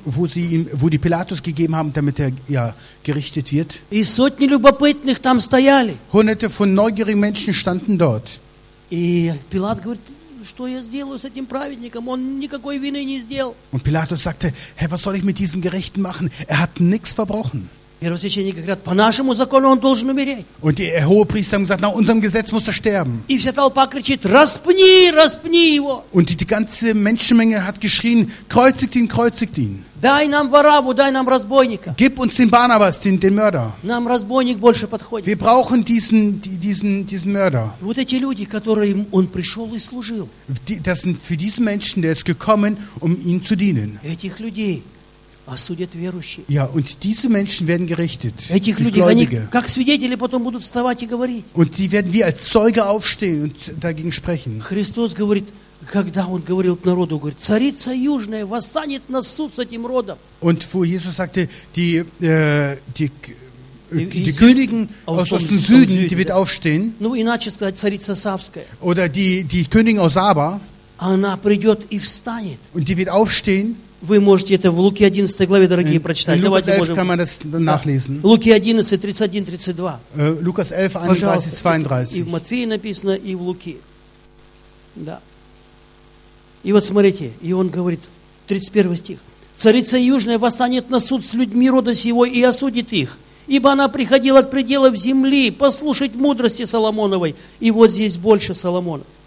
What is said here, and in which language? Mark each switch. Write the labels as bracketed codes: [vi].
[de] Wo die Pilatus gegeben haben, damit er ja gerichtet wird. [ru] И сотни любопытных там стояли. [de] Hunderte von neugierigen Menschen standen dort. [ru] И Пилат говорит: что я сделаю с этим праведником? Он никакой вины не сделал. [de] Und Pilatus sagte: Herr, was soll ich mit diesem Gerechten machen? Er hat nichts verbrochen. [ru] Первосвященники говорят: по нашему закону он должен умереть. [de] Und die Hohepriester haben gesagt: nach unserem Gesetz muss er sterben. [ru] И вся толпа кричит: распни, распни его. [de] Und die ganze Menschenmenge hat geschrien: kreuzigt ihn, kreuzigt ihn. [ru] Дай нам Варабу, дай нам разбойника. [de] Gib uns den Barnabas, den Mörder. [ru] Нам разбойник больше подходит. [de] Wir brauchen diesen Mörder. [ru] Вот эти люди, которые он пришел и служил. [de] Das sind für diesen Menschen, der ist gekommen, um ihnen zu dienen. [ru] Этих людей осудят верующие. [de] Ja, und diese Menschen werden gerichtet. [ru] Этих людей, они как свидетели потом будут вставать и говорить. [de] Und die werden wie als Zeuge aufstehen und dagegen sprechen. [ru] Христос говорит, когда он говорил к народу, говорит: царица южная восстанет на суд с этим родом. [de] Und wo Jesus sagte, die Königin aus dem Süden, die wird aufstehen. [ru] Ну иначе сказать, царица Савская. [de] Oder die Königin aus Saba. [ru] Она придет и встанет. [de] Und die wird aufstehen. [ru] Вы можете это в Луки 11 главе, дорогие, прочитать. Давайте можем. Луки 11:31-32. [de] Лукас 11:31-32. [ru] И в Матфеи написано, и в Луки. Да. И вот смотрите, и он говорит, 31 стих. «Царица Южная восстанет на суд с людьми рода сего и осудит их, ибо она приходила от пределов земли послушать мудрости Соломоновой, и вот здесь больше Соломона».